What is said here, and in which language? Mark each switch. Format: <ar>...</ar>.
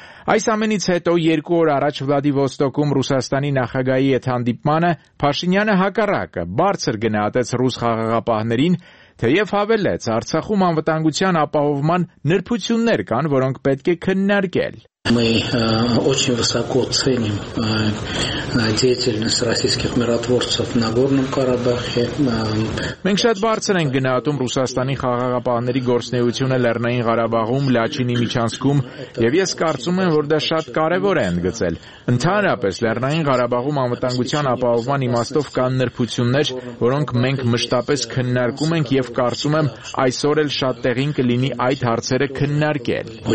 <hy>Այս ամենից հետո 2 օր առաջ Վլադիվոստոկում Ռուսաստանի նախագահի հետ հանդիպմանը Փաշինյանը հակառակը բարձր գնահատեց ռուս խաղաղապահներին, թեև հավելեց Արցախում անվտանգության ապահովման նրբություններ կան, որոնք պետք է քննարկել։</hy> <ru>Мы очень высоко ценим деятельность российских миротворцев в Нагорном Карабахе.</ru> <hy>Մենք շատ բարձր ենք գնահատում Ռուսաստանի խաղաղապահների գործունեությունը Լեռնային Ղարաբաղում, Լաչինի միջանցքում, և ես կարծում եմ, որ դա շատ կարևոր է ընդգծել։ Ընդհանրապես Լեռնային Ղարաբաղում անվտանգության ապահովման իմաստով կան նրբություններ, որոնք մենք մշտապես քննարկում ենք, և կարծում եմ, այսօր էլ շատ տեղին կլինի այդ հարցերը քննարկել։</hy>